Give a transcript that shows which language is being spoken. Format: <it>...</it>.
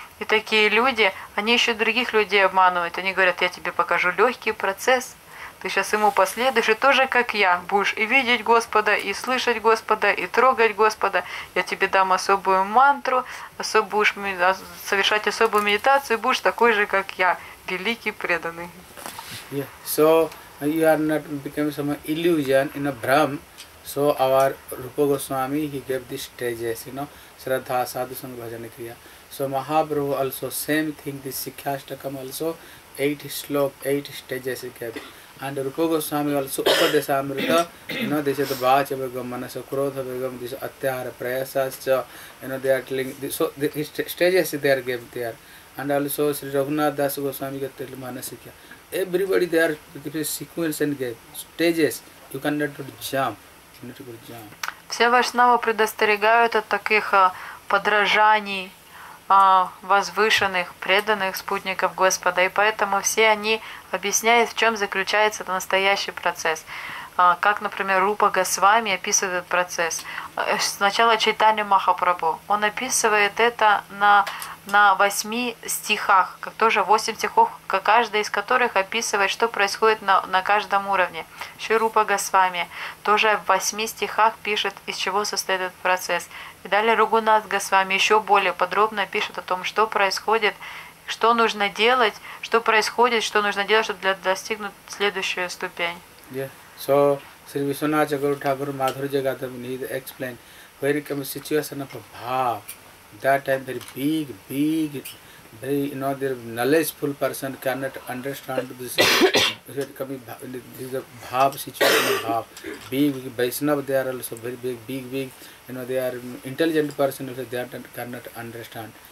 <ru>И такие люди, они еще других людей обманывают. Они говорят, я тебе покажу легкий процесс. Ты сейчас ему последуешь, и тоже, как я, будешь и видеть Господа, и слышать Господа, и трогать Господа. Я тебе дам особую мантру, совершать особую медитацию, и будешь такой же, как я, великий преданный.</ru> <en>Yeah. So, you are not becoming some illusion in a Brahm. So, our Rupa Goswami, he gave this stages, you know, Shraddha, Sadhu, Sangha, Bhajana, Kriya. So, Mahaprabhu also, same thing, this Sikhyashtakam also, 8 slopes, 8 stages he gave. And Rupa Goswami also Upadesa Amrita, you know, they say the Vacha Vagam, Manasa Krodha Vagam, this Atyahara Prayasascha, you know, they are telling, so the stages they are given there. And also Sri Raghunath Das Goswami got to tell Manasikya. Everybody they are giving sequence and gave stages. You cannot jump. You need to go jump.</en> <ru>Все Вайшнавы предостерегают от таких подражаний возвышенных, преданных спутников Господа. И поэтому все они объясняют, в чем заключается этот настоящий процесс. Как, например, Рупа Госвами описывает этот процесс. Сначала Чайтанья Махапрабху. Он описывает это на 8 стихах, как тоже 8 стихов, каждый из которых описывает, что происходит на каждом уровне. Еще Рупа Госвами тоже в 8 стихах пишет, из чего состоит этот процесс. И далее Рагунат Госвами еще более подробно пишет о том, что происходит, что нужно делать, что происходит, что нужно делать, чтобы достигнуть следующую ступень.</ru> <en>Yeah. So, Sri Vishwanath Chakur Thakur Madhurya Gautam, he explained, when it comes to situation of a bhav, that time very big, very, you know, the knowledgeful person cannot understand this, this is a bhav situation, big Vaishnava, they are also very big, you know, they are intelligent person, so they cannot understand.</en>